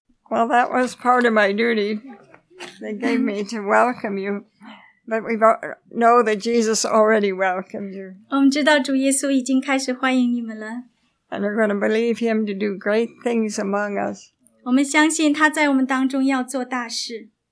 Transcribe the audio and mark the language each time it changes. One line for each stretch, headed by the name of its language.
English: Well, that was part of my duty they gave me to welcome you. But we know that Jesus already welcomed you.
Chinese: 我们知道主耶稣已经开始欢迎你们了。
English: And we're going to believe him to do great things among us.
Chinese: 我们相信他在我们当中要做大事。